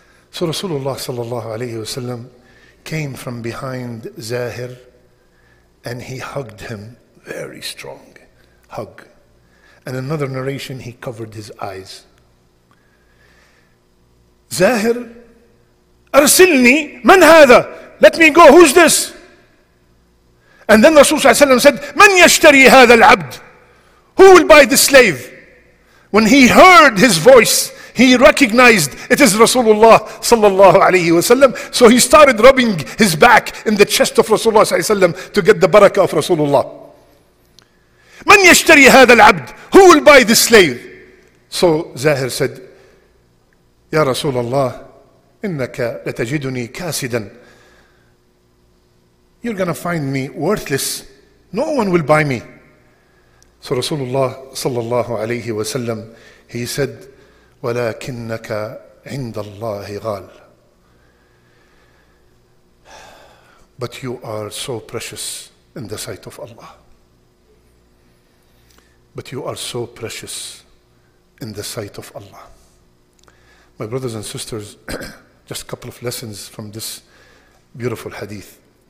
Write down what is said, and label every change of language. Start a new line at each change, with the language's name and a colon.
English: So Rasulullah sallallahu alayhi wasallam came from behind Zahir and he hugged him very strong, hug. And another narration, he covered his eyes. Zahir,
Arabic: أرسلني من هذا؟
English: Let me go. Who's this? And then Rasulullah ﷺ said,
Arabic: من يشتري هذا العبد?
English: Who will buy this slave? When he heard his voice, he recognized it is Rasulullah sallallahu alaihi wasallam. So he started rubbing his back in the chest of Rasulullah ﷺ to get the barakah of Rasulullah.
Arabic: من يشتري هذا العبد?
English: Who will buy this slave? So Zahir said,
Arabic: يا رسول الله. إنك لتجدني كاسدا.
English: You're gonna find me worthless. No one will buy me. So Rasulullah صلى الله عليه وسلم, he said,
Arabic: ولكنك عند الله غال.
English: But you are so precious in the sight of Allah. But you are so precious in the sight of Allah. My brothers and sisters, just a couple of lessons from this beautiful hadith.